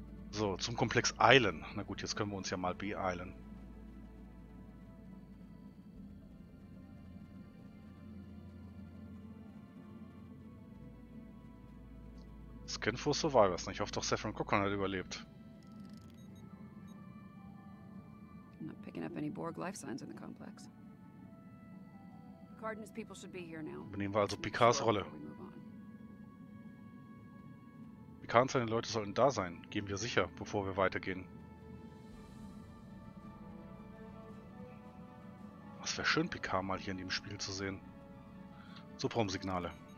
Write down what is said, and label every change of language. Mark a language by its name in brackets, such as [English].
[German] So, zum Komplex Eilen. Na gut, jetzt können wir uns ja mal beeilen. Scan for Survivors. Ich hoffe doch, Saffron Cochran hat überlebt. [English] I'm not picking up any Borg life signs in the complex. Picard and his people should be here now. [German] Übernehmen wir also Picards Rolle. Picard und seine Leute sollten da sein. Gehen wir sicher, bevor wir weitergehen. Es wäre schön, Picard mal hier in dem Spiel zu sehen. Subraumsignale.